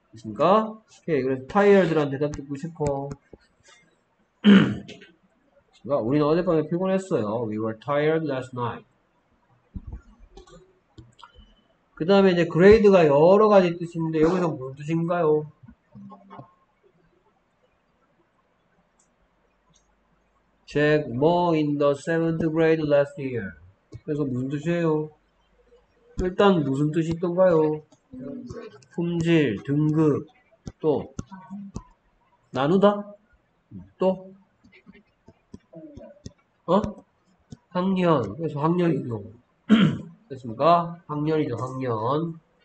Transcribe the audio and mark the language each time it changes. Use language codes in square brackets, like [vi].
[ko] 있습니까? 오케이. 그래서 tired란 대답 듣고 싶어. 있습니까? 우리는 어젯밤에 피곤했어요. [en] We were tired last night. [ko] 그 다음에 이제 grade가 여러 가지 뜻이 있는데 여기서 무슨 뜻인가요? 책 뭐 [en] in the seventh grade last year. [ko] 그래서 무슨 뜻이에요? 일단 무슨 뜻이 있던가요? 품질, 등급, 또 나누다, 또 어? 학년. 그래서 학년이죠. 됐습니까? 학년이죠. 학년.